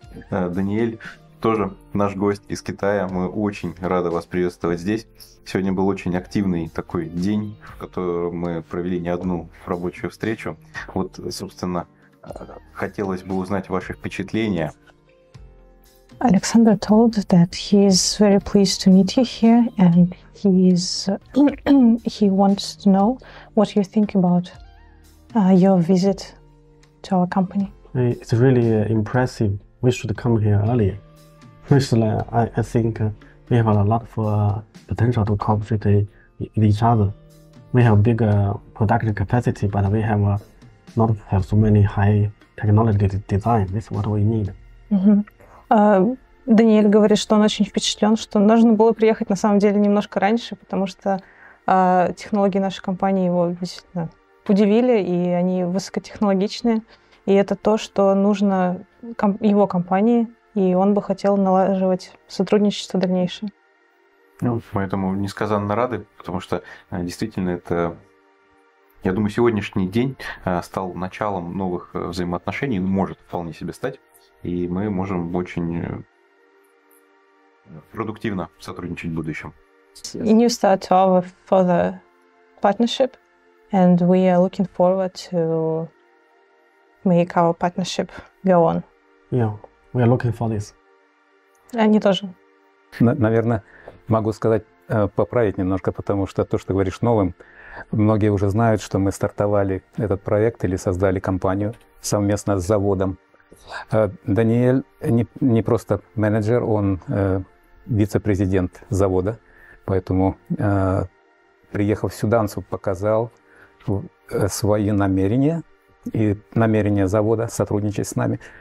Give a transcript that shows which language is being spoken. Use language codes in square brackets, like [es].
[ru] Даниэль тоже наш гость из Китая. Мы очень рады вас приветствовать здесь. Сегодня был очень активный такой день, в котором мы провели не одну рабочую встречу. Вот, собственно, хотелось бы узнать ваши впечатления. [en] Александр told that he is very pleased to meet you here, and he wants to know what you think about your visit to our company. It's really impressive. We should come here earlier. Personally, I think we have a lot for potential to cooperate with each other. We have bigger production capacity, but we have not have so many high technology design. This is what we need. [ru] Даниэль говорит, что он очень впечатлен, что нужно было приехать на самом деле немножко раньше, потому что технологии нашей компании его действительно удивили, и они высокотехнологичные. И это то, что нужно его компании, и он бы хотел налаживать сотрудничество дальнейшее. Поэтому несказанно рады, потому что действительно это... Я думаю, сегодняшний день стал началом новых взаимоотношений, может вполне себе стать, и мы можем очень продуктивно сотрудничать в будущем. [en] New start to our further partnership, and we are looking forward to make our partnership go on. Yeah, we are looking for this. [ru] Они тоже. Наверное, могу сказать, поправить немножко, потому что то, что говоришь новым, многие уже знают, что мы стартовали этот проект или создали компанию совместно с заводом. Даниэль не просто менеджер, он вице-президент завода, поэтому, приехав сюда, он показал свои намерения и намерения завода сотрудничать с нами.